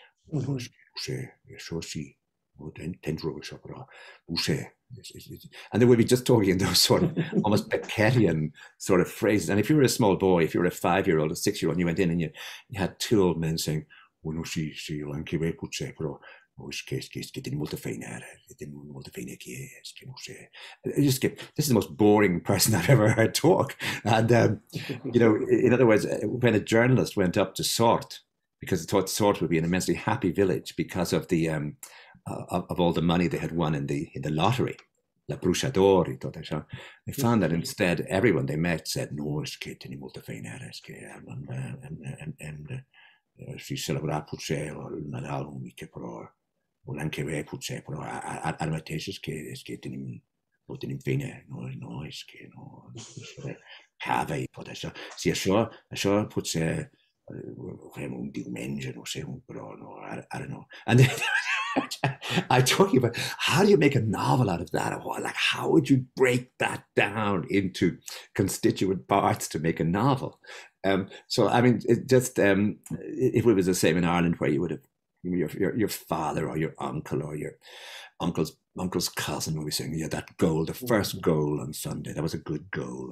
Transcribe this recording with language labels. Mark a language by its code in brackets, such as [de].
[en] And they would be just talking in those sort of almost Beckettian sort of phrases. And if you were a small boy, if you were a 5-year-old, a 6-year-old, and you went in and you had two old men saying, [es] "Bueno, sí, sí, lo han que ver, pero [ca] que tenim molta feina ara, que tenim molta feina aquí, és que no ho sé. [en] Just que, this is the most boring person I've ever heard talk. And, you know, in other words, when a journalist went up to Sort, because they thought Sort would be an immensely happy village because of the of all the money they had won in the lottery, [ca] la bruixa d'or i tot això, they found that instead everyone they met said, no, és que tenim molta feina ara, és que hem de celebrar potser el Nadal un mica, però l'any que ve potser, però ara mateix és que tenim, no tenim feina, no, és que no, cava i tot això. Si això potser ho fem un diumenge, no sé, però no, ara no. [en] And then, I talk about, how do you make a novel out of that? Like, how would you break that down into constituent parts to make a novel? If it was the same in Ireland where you would have your father or your uncle or your uncle's cousin would be saying, yeah, that goal, the first goal on Sunday, that was a good goal.